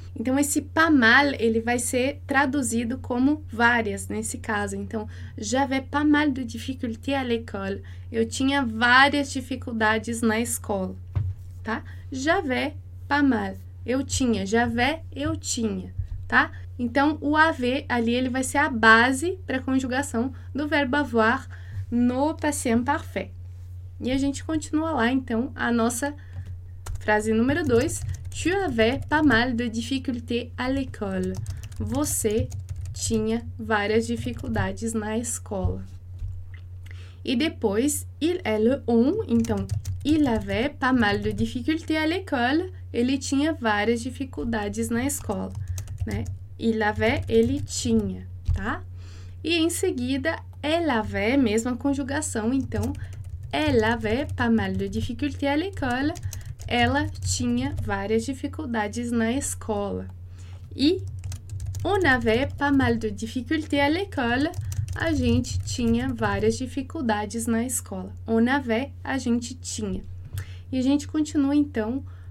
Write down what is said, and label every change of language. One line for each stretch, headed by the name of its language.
Portuguese: Então, esse pas mal, ele vai ser traduzido como várias nesse caso.
French: Então, j'avais pas mal de difficultés à l'école.
Portuguese: Eu tinha várias dificuldades na escola, tá?
French: J'avais pas mal.
Portuguese: Eu tinha. J'avais, eu tinha, tá? Então, o avait ali, ele vai ser a base para a conjugação do verbo avoir no passé imparfait. E a gente continua lá, então, a nossa frase número 2.
French: Tu avais pas mal de difficultés à l'école.
Portuguese: Você tinha várias dificuldades na escola. E depois,
French: il est le on, então, il avait pas mal de difficultés à l'école.
Portuguese: Ele tinha várias dificuldades na escola, né?
French: Il avait,
Portuguese: ele tinha, tá? E em seguida,
French: elle avait,
Portuguese: mesma conjugação, então,
French: elle avait pas mal de difficultés à l'école.
Portuguese: Ela tinha várias dificuldades na escola.
French: E on avait pas mal de difficultés à l'école.
Portuguese: A gente tinha várias dificuldades na escola.
French: On avait,
Portuguese: a gente tinha. E a gente continua então.